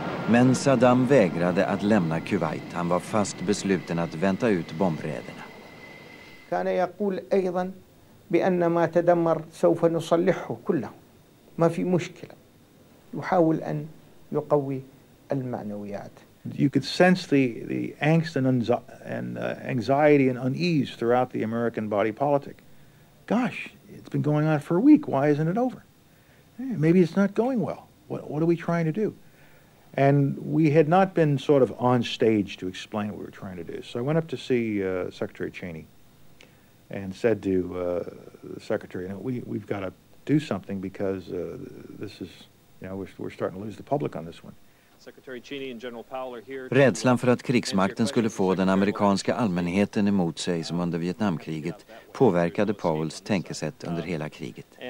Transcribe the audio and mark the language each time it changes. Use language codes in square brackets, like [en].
[sv] Men Saddam vägrade att lämna Kuwait. Han var fast besluten att vänta ut bombräderna. [ar] كان يقول ايضا بان ما تدمر سوف نصلحه كله ما في مشكله يحاول ان يقوي المعنويات. [en] You could sense the angst and anxiety and unease throughout the American body politic. Gosh, it's been going on for a week. Why isn't it over? Maybe it's not going well. What are we trying to do? And we had not been sort of on stage to explain what we were trying to do. So I went up to see Secretary Cheney and said to the secretary, you know, we've got to do something because this is, you know, we're starting to lose the public on this one. Secretary Cheney and General Powell are here. [sv] Rädslan för att krigsmakten skulle få den amerikanska allmänheten emot sig som under Vietnamkriget påverkade Powells tänkesätt under hela kriget.